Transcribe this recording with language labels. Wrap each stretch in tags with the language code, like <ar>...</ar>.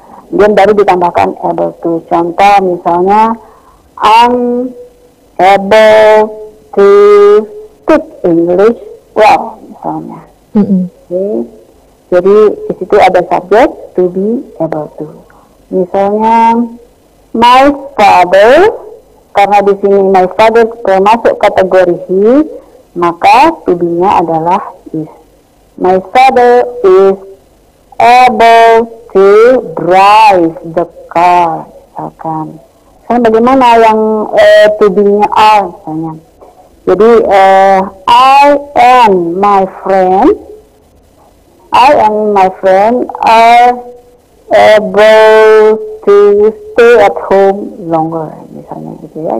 <id>Kemudian baru ditambahkan</id> <en>able to.</en> <id>Contoh misalnya,</id> <en>I'm able to speak English well,</en> <id>misalnya. Jadi di situ ada subject to be able to. Misalnya my father, karena di sini my father termasuk kategori he, maka to be-nya adalah is.</id> <en>My father is able to drive the car,</en> <id>misalkan. Misalnya bagaimana yang to be-nya are, misalnya. Jadi</id> <en>I am my friend. I and my friend are able to stay at home longer,</en> <id>misalnya gitu ya.</id>